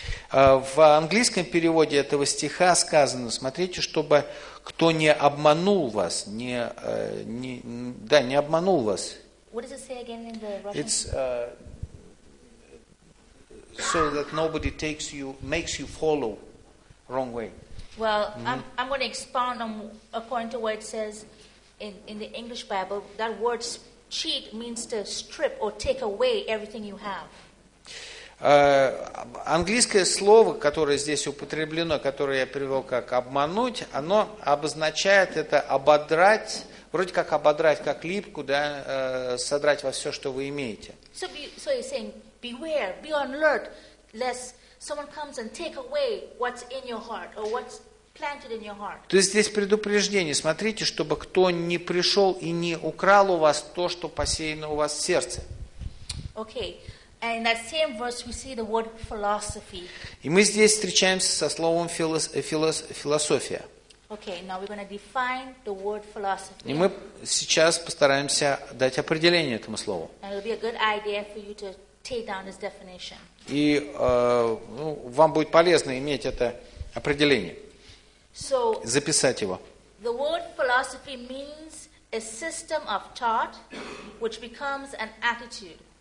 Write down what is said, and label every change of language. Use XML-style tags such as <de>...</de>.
<ru>В английском переводе этого стиха сказано, смотрите, чтобы кто не обманул вас, не обманул вас.</ru> <en>What does it say again in the Russian? It's so that nobody takes you, makes you follow wrong way. Well, I'm going to expound on according to what it says in the English Bible. That word cheat means to strip or take away everything you have.</en> <ru>Английское слово, которое здесь употреблено, которое я перевел как обмануть, оно обозначает это ободрать, вроде как ободрать, как липку, да, содрать во все, что вы имеете.</ru> <en>So you're saying, beware, be on alert, lest someone comes and take away what's in your heart or what's planted in your heart.</en> <ru>То есть здесь предупреждение, смотрите, чтобы кто не пришел и не украл у вас то, что посеяно у вас в сердце.</ru> <en>Okay. And in that same verse we see the word philosophy.</en> <ru>И мы здесь встречаемся со словом философия.</ru> <en>Okay, now we're going to define the word philosophy.</en> <ru>И мы сейчас постараемся дать определение этому слову.</ru> <en>And it'll be a good idea for you to take down this definition.</en> <ru>И вам будет полезно иметь это определение.</ru> <en>So,</en> <ru>записать его.</ru> <en>The word philosophy means a system of thought which becomes an attitude.</en>